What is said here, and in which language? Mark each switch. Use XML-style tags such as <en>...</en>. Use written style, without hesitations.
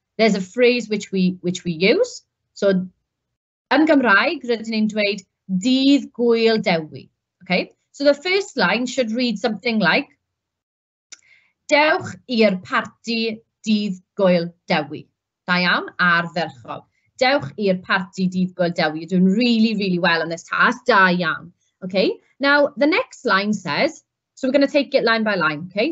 <en>There's a phrase which we use.</en> <cy>So, yn Gymraeg, rydyn ni'n dweud, dydd gwyl dewi, okay?</cy> <en>So, the first line should read something like,</en> <cy>dewch i'r party dydd gwyl dewi. Da iawn, ar ferchog. Dewch i'r party dydd gwyl dewi.</cy> <en>You're doing really, really well on this task.</en> <cy>Da iawn.</cy> <en>Okay. Now, the next line says, so we're going to take it line by line. Okay.</en>